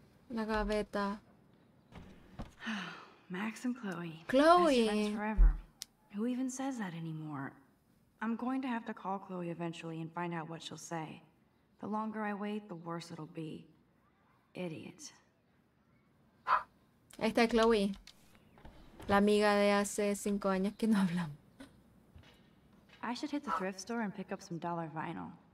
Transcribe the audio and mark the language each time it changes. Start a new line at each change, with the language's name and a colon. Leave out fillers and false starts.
Spanish: La gaveta.
English: Max and Chloe. Chloe. Best friends forever. Who even says that anymore? I'm going to have to call Chloe eventually and find out what she'll say. The longer I wait, the worse it'll be. Idiot.
Spanish: Ahí está Chloe, la amiga de hace 5 años que no hablamos.
English: I should hit the thrift store and pick up some dollar vinyl.